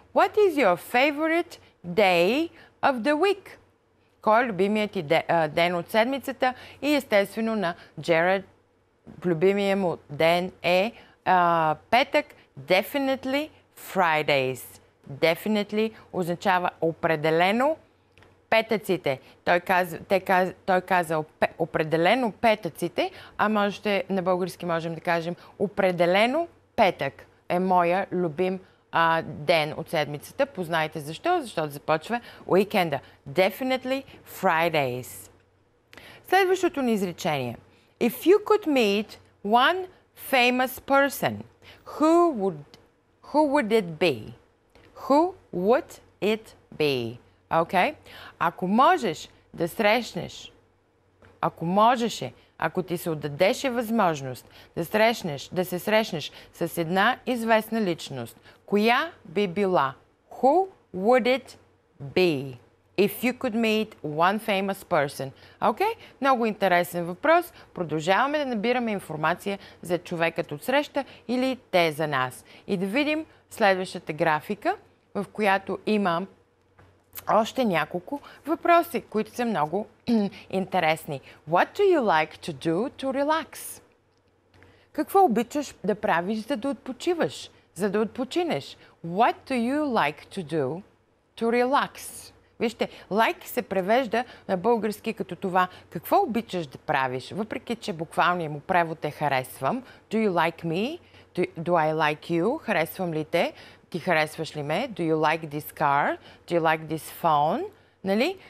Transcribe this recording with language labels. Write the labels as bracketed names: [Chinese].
[English] What is your favorite day of the week? [Bulgarian] Кой е любимият ти ден от седмицата? И естествено на Джеред любимия му ден е петък. [English] Definitely Fridays. [Bulgarian] Definitely означава определено петъците. Той казал определено петъците, а можете на български можем да кажем определено петък е моя любим ден от седмицата. Познайте защо? Защото започва уикенда. [English] Definitely Fridays. [Bulgarian] Следващото ни изречение. [English] If you could meet one famous person, who would it be? Who would it be? Okay? [Bulgarian] Ако ти се отдадеше възможност да се срещнеш с една известна личност, коя би била? [English] Who would it be? If you could meet one famous person. Okay? [Bulgarian] Много интересен въпрос. Продължаваме да набираме информация за човекът от среща или те за нас. И да видим следващата графика, в която има още няколко въпроси, които са много интересни. [English] What do you like to do to relax? [Bulgarian] Какво обичаш да правиш, за да отпочиваш, за да отпочинеш? [English] What do you like to do to relax? [Bulgarian] Вижте, like се превежда на български като това. Какво обичаш да правиш? Въпреки, че буквалния му превод е харесвам. [English] Do you like me? Do I like you? [Bulgarian] Харесвам ли те? Ти харесваш ли ме? [English] Do you like this car? Do you like this phone? [Bulgarian] Нали?